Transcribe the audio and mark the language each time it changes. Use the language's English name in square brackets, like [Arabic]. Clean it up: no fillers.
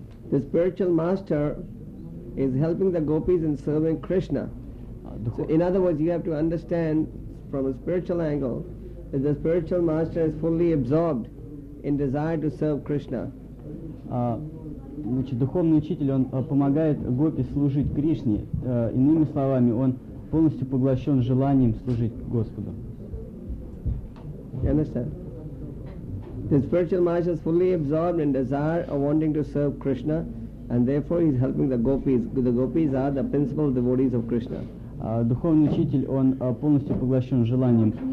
[English] The spiritual master is helping the gopis in serving Krishna. So in other words, you have to understand from a spiritual angle that the spiritual master is fully absorbed in desire to serve Krishna. [Russian] Значит, духовный учитель, он помогает гопи служить Кришне. Иными словами, он полностью поглощен желанием служить Господу. [English] You understand? The spiritual master is fully absorbed in desire of wanting to serve Krishna, and therefore he is helping the gopis. The gopis are the principal devotees of Krishna. [Russian] Духовный учитель, он полностью поглощен желанием.